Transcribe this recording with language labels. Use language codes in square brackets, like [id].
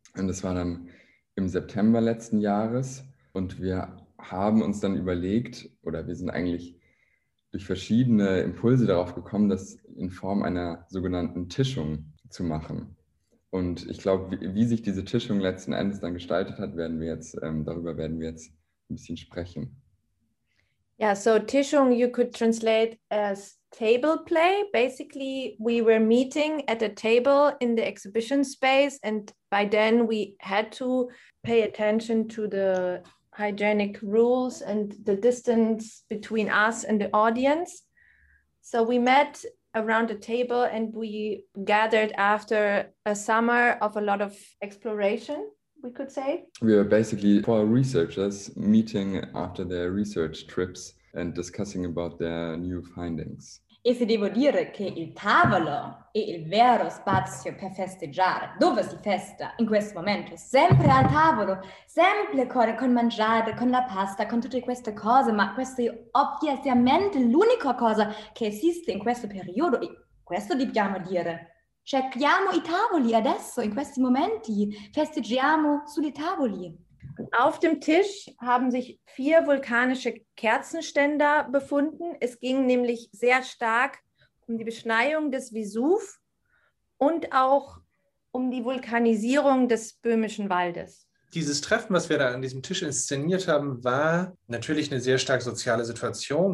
[de] Und das war dann im September letzten Jahres. Und wir haben uns dann überlegt, oder wir sind eigentlich durch verschiedene Impulse darauf gekommen, das in Form einer sogenannten Tischung zu machen. Und ich glaube, wie sich diese Tischung letzten Endes dann gestaltet hat, darüber werden wir jetzt ein bisschen sprechen. [en] Yeah, so Tischung, you could translate as table play. Basically, we were meeting at a table in the exhibition space, and by then we had to pay attention to the hygienic rules and the distance between us and the audience. So we met around a table and we gathered after a summer of a lot of exploration, we could say. We were basically four researchers meeting after their research trips and discussing about their new findings. [it] E se devo dire che il tavolo è il vero spazio per festeggiare, dove si festa in questo momento, sempre al tavolo, sempre con mangiare, con la pasta, con tutte queste cose, ma questa è ovviamente l'unica cosa che esiste in questo periodo, e questo dobbiamo dire. Cerchiamo i tavoli adesso, in questi momenti, festeggiamo sulle tavoli. [de] Auf dem Tisch haben sich vier vulkanische Kerzenständer befunden. Es ging nämlich sehr stark um die Beschneiung des Vesuv und auch um die Vulkanisierung des böhmischen Waldes. Dieses Treffen, was wir da an diesem Tisch inszeniert haben, war natürlich eine sehr stark soziale Situation.